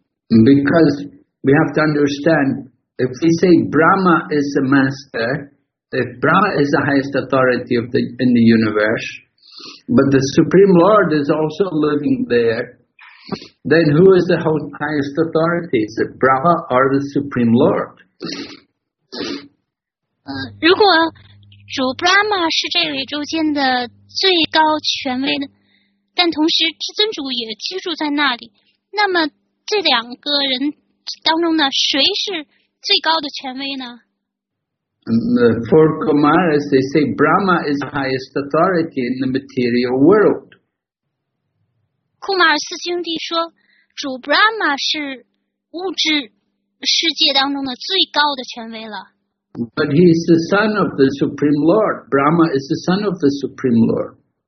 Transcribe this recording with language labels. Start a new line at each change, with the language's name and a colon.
English: Because we have to understand, if we say Brahma is the master, if Brahma is the highest authority in the universe, but the Supreme Lord is also living there, then who is the highest authority? Is it Brahma or the Supreme Lord?
Chinese: 如果主 Brahma 是这个宇宙间的最高权威的，但同时至尊主也居住在那里，那么这两个人当中呢，谁是最高的权威呢？
English: The four Kumaras, they say Brahma is the highest authority in the material world.
Chinese: 库马尔四兄弟说，主 Brahma 是物质世界当中的最高的权威了。
English: But he is the son of the Supreme Lord. Brahma is the son of the Supreme Lord.